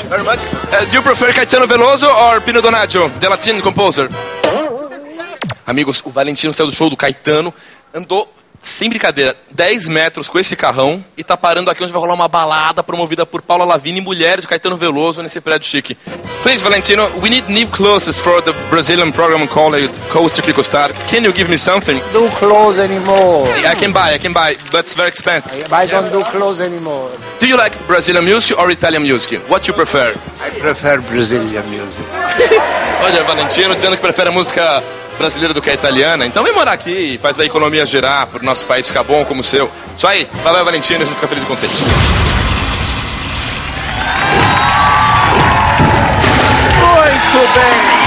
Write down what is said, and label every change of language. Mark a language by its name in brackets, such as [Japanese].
[English] Very much. Do you prefer Caetano Veloso or Pino Donaggio, the Latin composer? [Portuguese] Amigos, o Valentino saiu do show do Caetano. Andou, sem brincadeira, 10 metros com esse carrão e tá parando aqui onde vai rolar uma balada promovida por Paula Lavigne e mulheres de Caetano Veloso nesse prédio chique. [English] Please, Valentino, we need new clothes for the Brazilian program called Coast Pico Star. Can you give me something? Do clothes anymore. I can buy, but it's very expensive. Don't do clothes anymore. Do you like Brazilian music or Italian music? What you prefer? I prefer Brazilian music. [Portuguese] Olha, Valentino dizendo que prefere a música brasileira do que a italiana, então vem morar aqui e faz a economia girar pro nosso país ficar bom como o seu. Isso aí, valeu Valentino, a gente fica feliz e contente. Muito bem!